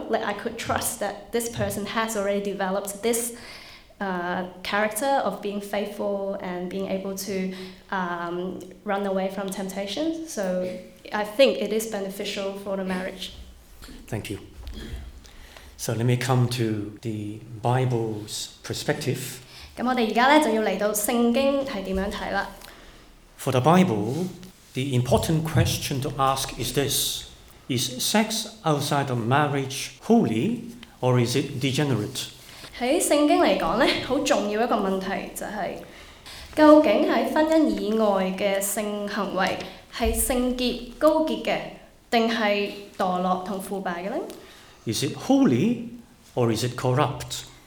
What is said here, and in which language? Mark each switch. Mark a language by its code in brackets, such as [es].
[en] Like, I could trust that this person has already developed this character of being faithful and being able to run away from temptations. So I think it is beneficial for the marriage. Thank you. So let me come to the Bible's perspective. [yue] 咁我哋而家咧就要嚟到聖經係點樣睇啦。 [en] For the Bible, the important question to ask is this: Is sex outside of marriage holy, or is it degenerate? [yue] 喺聖經嚟講咧，好重要一個問題就係、是，究竟喺婚姻以外嘅性行為係聖潔高潔嘅，定係墮落同腐敗嘅咧？ [en] Is it holy or is it corrupt?